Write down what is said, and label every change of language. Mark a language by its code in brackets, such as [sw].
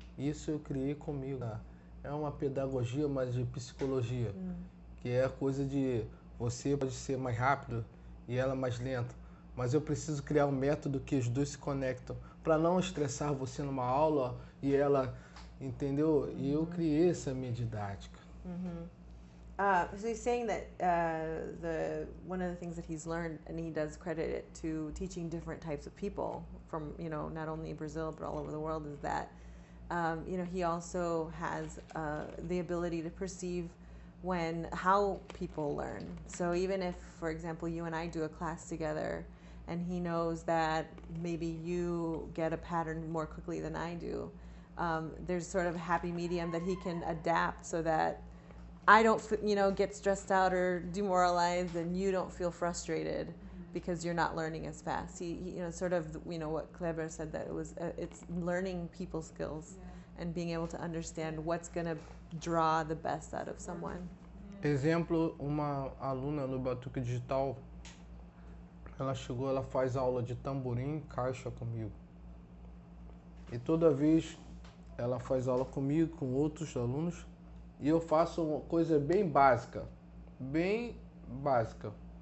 [pt] Isso eu criei comigo. É uma pedagogia, mas de psicologia. Que é a coisa de você pode ser mais rápido e ela mais lenta. Mas eu preciso criar um método que os dois se conectam para não estressar você numa aula e ela... Entendeu? E eu criei essa minha didática. [en] So he's saying that one of the things that he's learned, and he does credit it to teaching different types of people from, you know, not only Brazil but all over the world, is that, you know, he also has the ability to perceive when how people learn. So even if, for example, you and I do a class together, and he knows that maybe you get a pattern more quickly than I do, there's sort of a happy medium that he can adapt so that I don't, you know, get stressed out or demoralized, and you don't feel frustrated because you're not learning as fast. He, you know, sort of, you know, what Kleber said, that it was, it's learning people skills, yeah, and being able to understand what's going to draw the best out of someone. [pt] Exemplo, uma aluna no Batuque Digital, ela chegou, ela faz aula de tamborim e caixa comigo. E toda vez ela faz aula comigo, com outros alunos, e eu faço uma coisa bem básica, bem básica.